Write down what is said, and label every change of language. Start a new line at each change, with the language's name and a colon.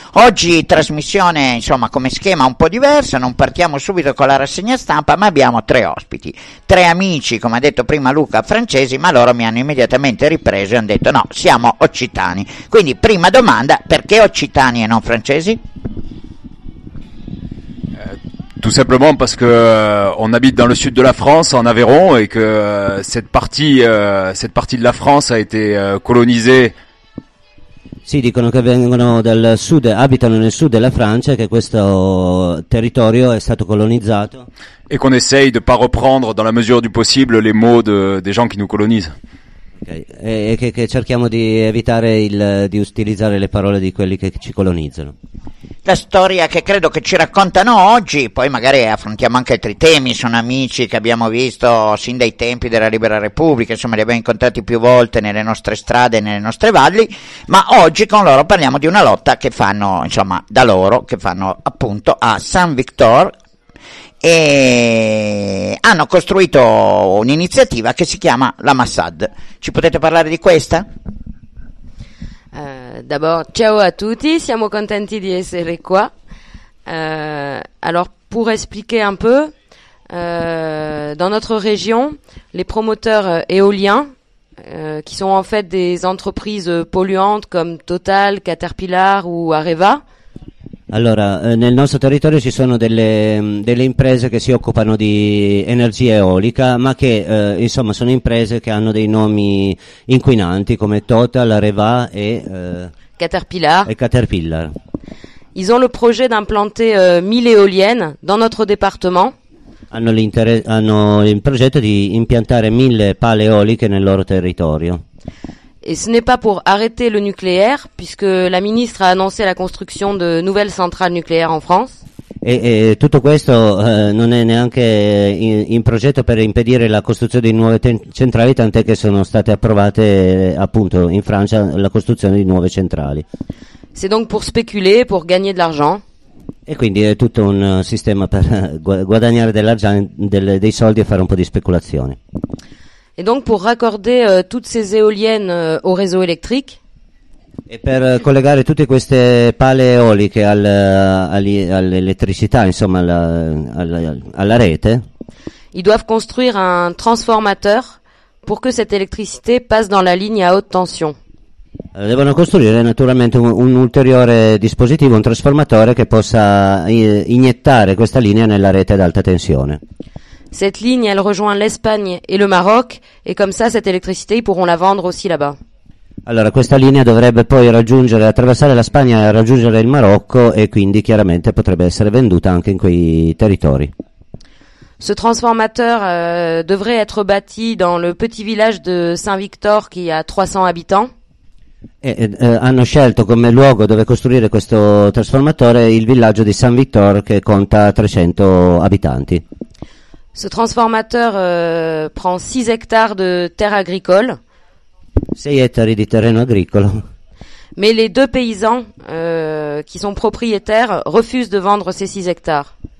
Italian: Oggi trasmissione, insomma, come schema un po' diversa, non partiamo subito con la rassegna stampa, ma abbiamo tre ospiti, tre amici, come ha detto prima Luca Francesi, ma loro mi hanno immediatamente ripreso e hanno detto no, siamo occitani. Quindi prima domanda, perché occitani e non francesi?
French: Tout simplement parce que on habite dans le sud de la France, en Aveyron, et que cette partie de la France a été colonisée.
Italian: Sì, dicono che vengono dal sud, abitano nel sud della Francia, che questo territorio è stato colonizzato.
French: Et qu'on essaye de pas reprendre dans la mesure du possible les mots des gens qui nous colonisent. Okay.
Italian: E che cerchiamo di evitare di utilizzare le parole di quelli che ci colonizzano. La storia che credo che ci raccontano oggi, poi magari affrontiamo anche altri temi, sono amici che abbiamo visto sin dai tempi della Libera Repubblica, insomma li abbiamo incontrati più volte nelle nostre strade, nelle nostre valli, ma oggi con loro parliamo di una lotta che fanno, insomma, da loro, che fanno appunto a San Victor, e hanno costruito un'iniziativa che si chiama la Massad. Ci potete parlare di questa?
French: D'abord,
Italian: ciao a tutti, siamo contenti di essere qua.
French: Alors, pour expliquer un peu, dans notre région, les promoteurs éoliens, qui sont en fait des entreprises polluantes comme Total, Caterpillar ou Areva.
Italian: Allora, nel nostro territorio ci sono delle imprese che si occupano di energia eolica, ma che insomma sono imprese che hanno dei nomi inquinanti come Total, Areva e Caterpillar. E Caterpillar.
French: Ils ont le projet d'implanter 1000 éoliennes dans notre département.
Italian: Hanno il progetto di impiantare 1000 pale eoliche nel loro territorio.
French: Et ce n'est pas pour arrêter le nucléaire, puisque la ministre a annoncé la construction de nouvelles centrales nucléaires en France. Et tout
Italian: questo non è neanche in progetto per impedire la costruzione di nuove centrali, tant'è che sono state approvate appunto in Francia la costruzione di nuove centrali.
French: C'est donc pour spéculer, pour gagner de l'argent.
Italian: E quindi è tutto un sistema per guadagnare dei soldi e fare un po' di speculazione.
French: Et donc pour raccorder toutes ces éoliennes au réseau électrique.
Italian: E per collegare tutte queste pale eoliche all'elettricità, insomma, alla rete.
French: Ils doivent construire un transformateur pour que cette électricité passe dans la ligne à haute tension.
Italian: Devono costruire naturalmente un ulteriore dispositivo, un trasformatore che possa iniettare questa linea nella rete ad alta tensione.
French: Cette ligne, elle rejoint l'Espagne et le Maroc, et comme ça, cette électricité, ils pourront la vendre aussi là-bas.
Italian: Allora, questa linea dovrebbe poi raggiungere, attraversare la Spagna e raggiungere il Marocco, e quindi chiaramente potrebbe essere venduta anche in quei territori.
French: Ce transformateur devrait être bâti dans le petit village de Saint-Victor, qui a 300 habitants.
Italian: Hanno scelto come luogo dove costruire questo trasformatore il villaggio di Saint-Victor, che conta 300 abitanti.
French: Ce transformateur prend 6 hectares de terre agricole.
Italian: 6 ettari di terreno agricolo.
French: Mais les deux paysans qui sont propriétaires refusent de vendre ces 6 hectares.